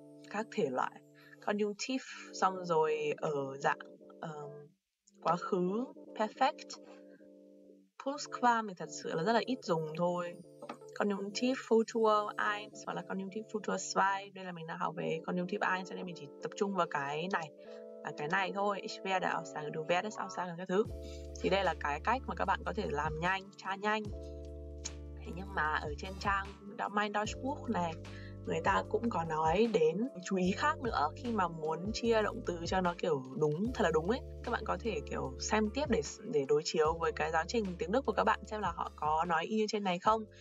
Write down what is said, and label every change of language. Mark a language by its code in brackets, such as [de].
[vi] Các thể loại conjunctive xong rồi ở dạng quá khứ perfect plusquam thì thật sự là rất là ít dùng thôi. Conjunctive future eins hoặc là conjunctive future zwei, đây là mình đã học về conjunctive eins cho nên mình chỉ tập trung vào cái này và cái này thôi. [de] Ich werde auch sagen, du werdest auch sagen [vi] các thứ. Thì đây là cái cách mà các bạn có thể làm nhanh, tra nhanh. Thế nhưng mà ở trên trang Mein Deutschbuch này người ta cũng có nói đến chú ý khác nữa khi mà muốn chia động từ cho nó kiểu đúng, thật là đúng ấy. Các bạn có thể kiểu xem tiếp để đối chiếu với cái giáo trình tiếng Đức của các bạn xem là họ có nói y như trên này không.